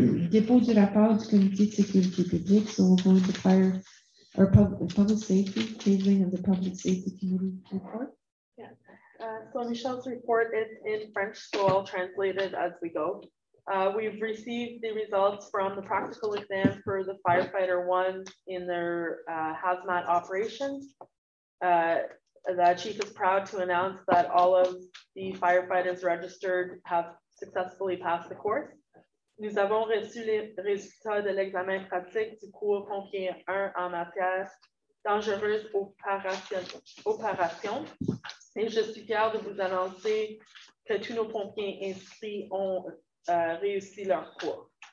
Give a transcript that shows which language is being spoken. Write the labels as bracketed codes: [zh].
[fr] Dépôt du rapport du comité de sécurité publique. [en] So we're going to fire or public safety, tabling of the public safety committee report. So Michelle's report is in French, so I'll translate it as we go. We've received the results from the practical exam for the firefighter one in their hazmat operations. The chief is proud to announce that all of the firefighters registered have successfully passed the course. [fr] Nous avons reçu les résultats de l'examen pratique du cours pompier 1 en matière dangereuse opération. Et je suis fière de vous annoncer que tous nos pompiers inscrits ont réussi leur cours.